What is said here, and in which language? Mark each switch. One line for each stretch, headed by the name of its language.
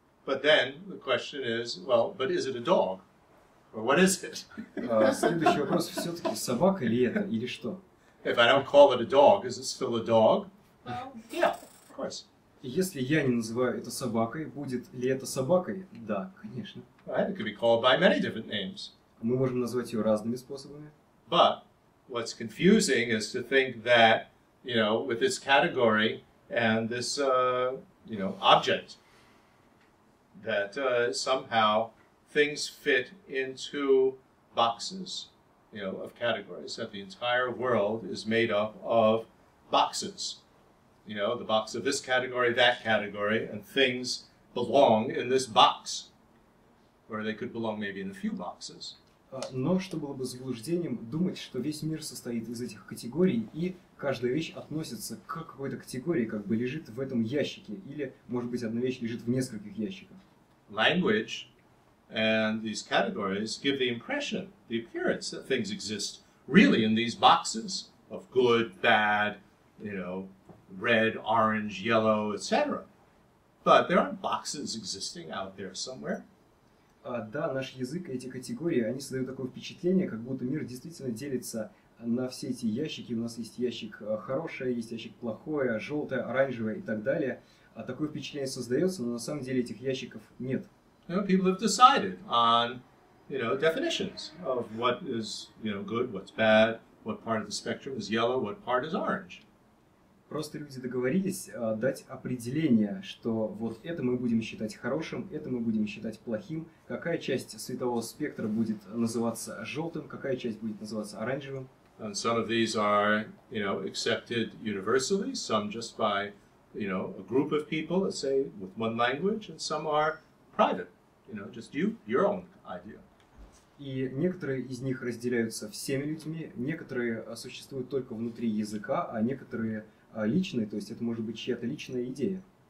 English: But then the question is, well, but is it a dog? Or what is it?
Russian: Следующий вопрос, все-таки собака ли это, или что?
English: If I don't call it a dog, is it still a dog? Yeah, of course.
Russian: Если я не называю это собакой, будет ли это собакой? Да, конечно.
English: Right, it could be called by many different names.
Russian: Мы можем назвать ее разными способами.
English: But what's confusing is to think that, you know, with this category and this, you know, object, that somehow things fit into boxes, you know, of categories, that the entire world is made up of boxes. You know, the box of this category, that category, and things belong in this box. Or they could belong maybe in a few boxes.
Russian: Но что было бы заблуждением думать, что весь мир состоит из этих категорий, и каждая вещь относится к какой-то категории, как бы лежит в этом ящике, или, может быть, одна вещь лежит в нескольких ящиках.
English: Language and these categories give the impression, the appearance, that things exist really in these boxes of good, bad, you know, red, orange, yellow, etc. But there aren't boxes existing out there somewhere.
Russian: Да, наш язык и эти категории, они создают такое впечатление, как будто мир действительно делится на все эти ящики. У нас есть ящик хорошее, есть ящик плохое, желтое, оранжевое и так далее. А такое впечатление создается, но на самом деле этих ящиков нет.
English: You know, people have decided on, you know, definitions of what is, you know, good, what's bad, what part of the spectrum is yellow, what part is orange.
Russian: Просто люди договорились дать определение, что вот это мы будем считать хорошим, это мы будем считать плохим, какая часть светового спектра будет называться желтым, какая часть будет называться оранжевым.
English: And some of these are, you know, accepted universally, some just by, you know, a group of people, let's say, with one language, and some are private, you know, just you, your own idea.
Russian: И некоторые из них разделяются всеми людьми, некоторые существуют только внутри языка, а некоторые личные, то есть это может быть чья-то личная идея.